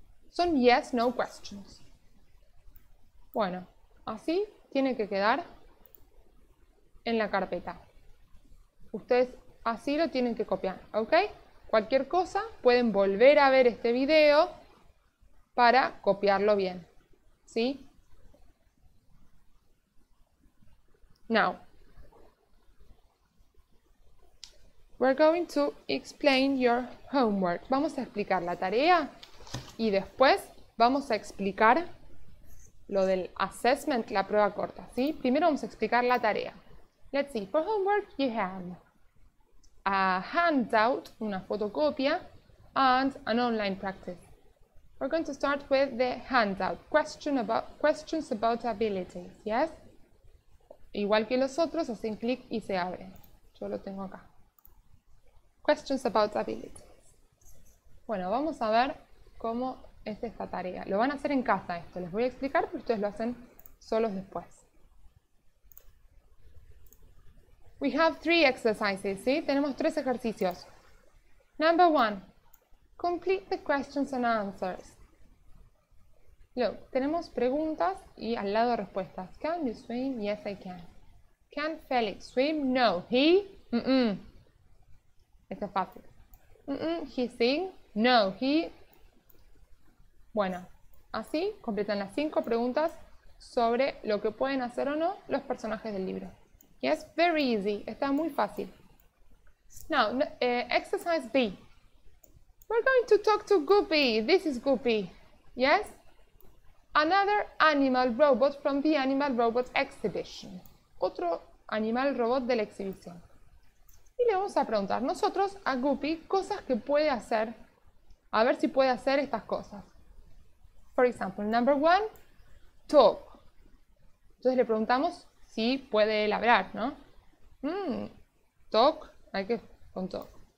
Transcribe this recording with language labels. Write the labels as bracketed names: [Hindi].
[Spanish] Son [English] yes, no questions. [Spanish] Bueno, así tiene que quedar en la carpeta. Ustedes así lo tienen que copiar, ¿ok? Cualquier cosa, pueden volver a ver este video para copiarlo bien. ¿Sí? [English] Now, we're going to explain your homework. [Spanish] Vamos a explicar la tarea y después vamos a explicar lo del assessment, la prueba corta, ¿sí? Primero vamos a explicar la tarea. [English] Let's see. For homework, you have a handout, [Spanish] una fotocopia, [English] and an online practice. We're going to start with the handout. Questions about abilities, ¿yes? [Spanish] Igual que los otros, hacen clic y se abre. Yo lo tengo acá. [English] Questions about abilities. [Spanish] Bueno, vamos a ver cómo es esta tarea. Lo van a hacer en casa esto. Les voy a explicar, pero ustedes lo hacen solos después. [English] We have three exercises, ¿sí? [Spanish] Tenemos tres ejercicios. [English] Number one. Complete the questions and answers. [Spanish] Look, tenemos preguntas y al lado respuestas. [English] Can you swim? Yes, I can. Can Felix swim? No. He? Mm-mm. [Spanish] Este es fácil. [English] Mm-mm, he sing? No, he... [Spanish] Bueno, así completan las cinco preguntas sobre lo que pueden hacer o no los personajes del libro. [English] Yes, very easy. [Spanish] Está muy fácil. [English] Now, exercise B. We're going to talk to Goopy. This is Goopy. Yes? Another animal robot from the animal robot exhibition. [Spanish] Otro animal robot de la exhibición. Y le vamos a preguntar nosotros a Goopy cosas que puede hacer. A ver si puede hacer estas cosas. [English] For example, number one, talk. [Spanish] Entonces le preguntamos si puede él hablar, ¿no? Talk, hay que con talk.